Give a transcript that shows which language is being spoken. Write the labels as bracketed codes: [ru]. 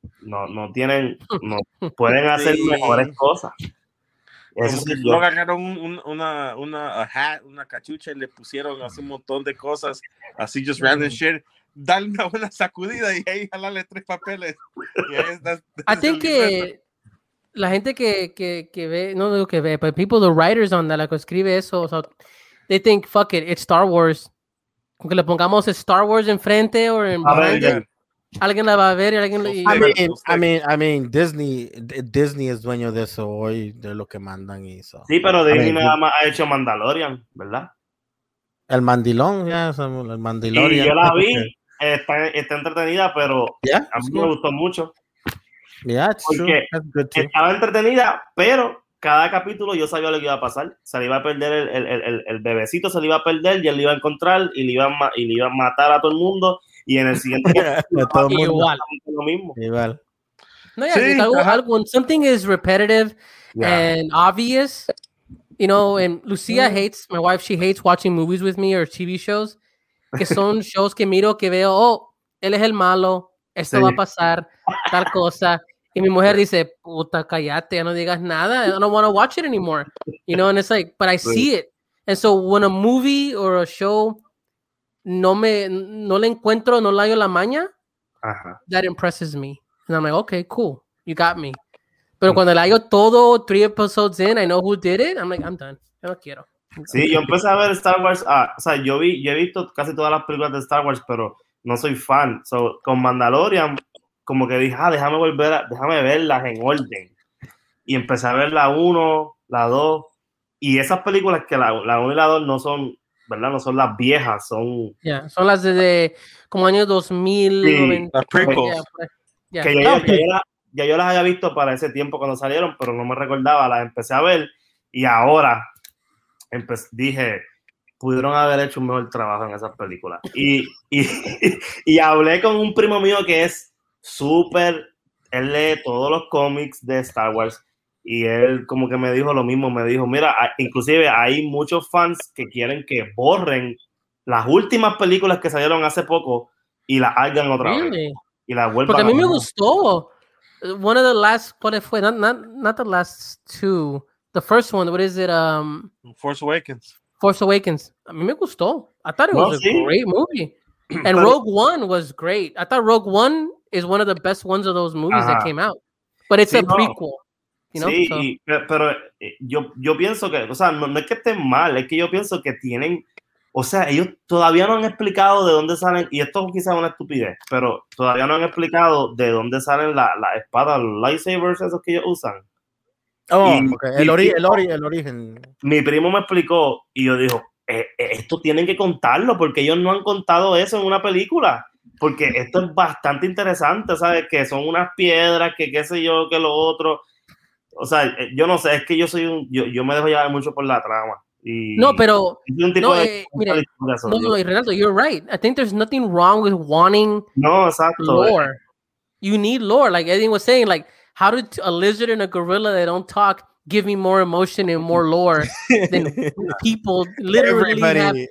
[es] No tienen, no pueden hacer mejores cosas. Eso no ganaron una cachucha y le pusieron así un montón de cosas, así [en] just random shit. [es] Dale una buena sacudida y ahí jalale tres papeles. [en] I think [es] que la gente que ve, no digo que ve, [en] but people, the writers on that, like, [es] escribe eso, [en] so they think, fuck it, it's Star Wars. [es] Aunque le pongamos Star Wars enfrente o en frente. Alguien la va a ver y alguien. I mean, Disney es dueño de eso hoy, de lo que mandan y eso. Sí, pero Disney nada más ha hecho Mandalorian, ¿verdad? El Mandilón, ya, el Mandalorian. Y yo la vi, está entretenida, pero a mí me gustó mucho. [en] Yeah, it's true. That's good too. [es] Estaba entretenida, pero cada capítulo yo sabía lo que iba a pasar. Se le iba a perder el bebecito, se le iba a perder y él lo iba a encontrar y le iba a matar a todo el mundo. Y en el siguiente todo igual lo mismo. Igual. [en] No, yeah, sí, algo, when something is repetitive, and obvious, you know, and Lucia hates, my wife, she hates watching movies with me or TV shows, [es] que son shows que miro, que veo, oh, él es el malo, esto va a pasar, tal cosa, y mi mujer dice, puta, cállate, ya no digas nada, [en] I don't want to watch it anymore, you know, and it's like, but I see it, and so when a movie or a show, [es] no le encuentro, no le hallo la maña, [en] that impresses me, and I'm like, okay, cool, you got me. [es] Pero cuando la hago todo, [en] 3 episodes in, I know who did it. I'm like, I'm done. [es] Yo no quiero. Sí, yo empecé a ver Star Wars. O sea, yo he visto casi todas las películas de Star Wars, pero no soy fan. So, con Mandalorian, como que dije, ah, déjame verlas en orden. Y empecé a ver la 1, la 2. Y esas películas que la 1 y la 2 no son, ¿verdad? No son las viejas, son... Yeah, son las de como año 2000. Sí, las prequels. Ya yo las había visto para ese tiempo cuando salieron, pero no me recordaba, las empecé a ver y ahora dije, pudieron haber hecho un mejor trabajo en esas películas. Y hablé con un primo mío que es súper, él lee todos los cómics de Star Wars y él como que me dijo lo mismo, me dijo, mira, inclusive hay muchos fans que quieren que borren las últimas películas que salieron hace poco y las hagan otra vez. Y las vuelvan. Porque a mí me gustó. [en] One of the last, what if we not the last two, the first one, what is it? Force Awakens. [es] A mí me gustó. [en] I thought it was a great movie. And Rogue One was great. I thought Rogue One is one of the best ones of those movies that came out. But it's a prequel. You know? [es] Sí, pero yo pienso que, o sea, no es que estén mal, es que yo pienso que tienen, o sea, ellos todavía no han explicado de dónde salen, y esto quizás es una estupidez, pero todavía no han explicado de dónde salen la espada, los lightsabers esos que ellos usan. Oh, el origen. Mi primo me explicó, y yo dijo, esto tienen que contarlo, porque ellos no han contado eso en una película, porque esto es bastante interesante, ¿sabes? Que son unas piedras, que qué sé yo, que lo otro. O sea, yo no sé, es que yo soy un... Yo me dejo llevar mucho por la trama. No, pero no, mira, no, Renato, [en] you're right. I think there's nothing wrong with wanting lore. You need lore, like Eddie was saying. Like, how did a lizard and a gorilla that don't talk give me more emotion and more lore than people literally everybody have